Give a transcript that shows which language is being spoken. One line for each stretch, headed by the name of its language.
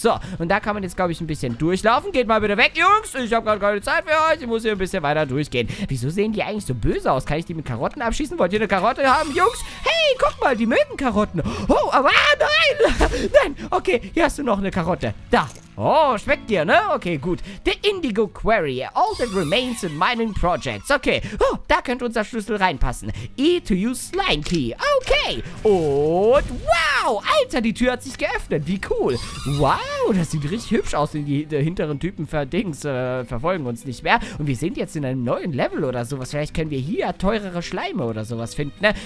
German: So, und da kann man jetzt, glaube ich, ein bisschen durchlaufen. Geht mal bitte weg, Jungs. Ich habe gerade keine Zeit für euch. Ich muss hier ein bisschen weiter durchgehen. Wieso sehen die eigentlich so böse aus? Kann ich die mit Karotten abschießen? Wollt ihr eine Karotte haben, Jungs? Hey, guck mal, die mögen Karotten. Oh, aber nein. Nein, okay, hier hast du noch eine Karotte. Da. Oh, schmeckt dir, ne? Okay, gut. The Indigo Quarry.
English: All that remains in mining projects. Okay.
German: Oh, da könnte unser Schlüssel reinpassen. E to use slime key. Okay. Und wow. Alter, die Tür hat sich geöffnet. Wie cool. Wow, das sieht richtig hübsch aus. Die hinteren Typen verfolgen uns nicht mehr. Und wir sind jetzt in einem neuen Level oder sowas. Vielleicht können wir hier teurere Schleime oder sowas finden, ne?